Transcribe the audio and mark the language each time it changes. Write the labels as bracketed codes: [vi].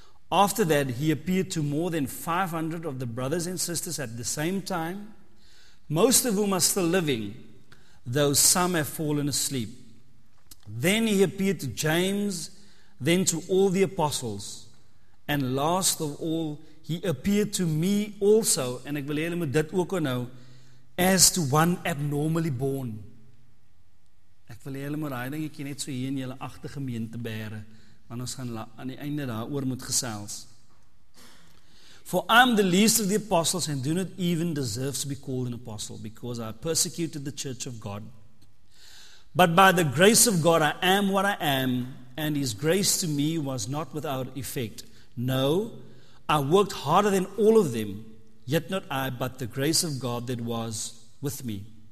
[en] After that, he appeared to more than 500 of the brothers and sisters at the same time, most of whom are still living, though some have fallen asleep. Then he appeared to James, then to all the apostles, and last of all, he appeared to me also, and [af] ek wil hê julle moet dit ook onthou, [en] as to one abnormally born. [af] Ek wil hê julle moet daai dingetjie net so hier in julle agtergemeente bære, want ons gaan aan die einde daaroor moet gesels. [en] For I am the least of the apostles and do not even deserve to be called an apostle, because I persecuted the church of God. But by the grace of God I am what I am, and his grace to me was not without effect. No, I worked harder than all of them, yet not I, but the grace of God that was with me.